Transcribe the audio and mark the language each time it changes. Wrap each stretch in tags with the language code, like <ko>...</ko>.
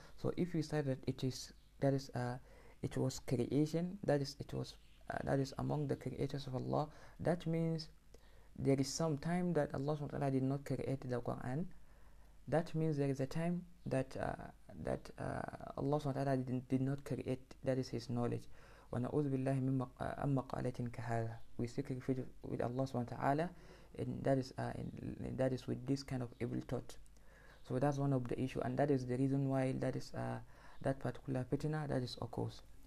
<en>So if you say that it was among the creators of Allah, that means there is some time that Allah subhanahu wa ta'ala did not create the Quran. That means there is a time that Allah subhanahu wa ta'ala did not create, that is his knowledge.</en> <ar>ونعوذ بالله من مقالة كهذا.</ar> <en>We seek refuge with Allah subhanahu wa ta'ala, and that is with this kind of evil thought. So that's one of the issue, and that is the reason why that is that particular fitna that is occurs.</en>